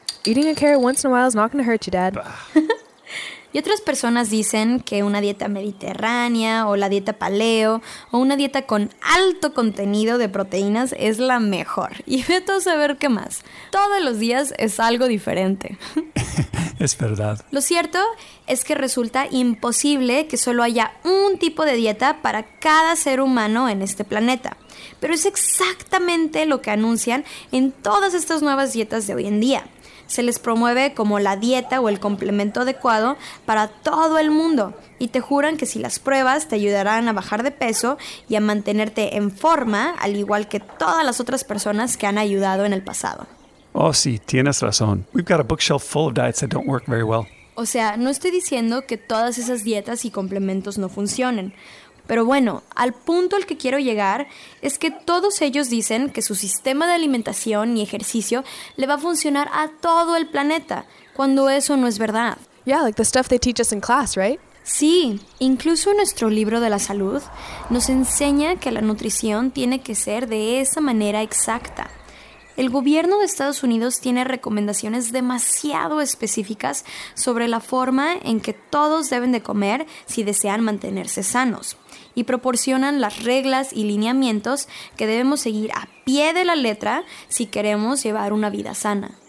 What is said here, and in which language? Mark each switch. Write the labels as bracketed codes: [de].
[en] Eating a carrot once in a while is not going to hurt you, Dad. [es] Y otras personas dicen que una dieta mediterránea o la dieta paleo o una dieta con alto contenido de proteínas es la mejor. Y vete a saber qué más. Todos los días es algo diferente. Es verdad. Lo cierto es que resulta imposible que solo haya un tipo de dieta para cada ser humano en este planeta. Pero es exactamente lo que anuncian en todas estas nuevas dietas de hoy en día. Se les promueve como la dieta o el complemento adecuado para todo el mundo. Y te juran que si las pruebas te ayudarán a bajar de peso y a mantenerte en forma, al igual que todas las otras personas que han ayudado en el pasado. Oh, sí, tienes razón. [en] We've got a bookshelf full of diets that don't work very well. [es] O sea, no estoy diciendo que todas esas dietas y complementos no funcionen. Pero bueno, al punto al que quiero llegar es que todos ellos dicen que su sistema de alimentación y ejercicio le va a funcionar a todo el planeta, cuando eso no es verdad. [en] Yeah, like the stuff they teach us in class, right? [es] Sí, incluso nuestro libro de la salud nos enseña que la nutrición tiene que ser de esa manera exacta. El gobierno de Estados Unidos tiene recomendaciones demasiado específicas sobre la forma en que todos deben de comer si desean mantenerse sanos, y proporcionan las reglas y lineamientos que debemos seguir a pie de la letra si queremos llevar una vida sana.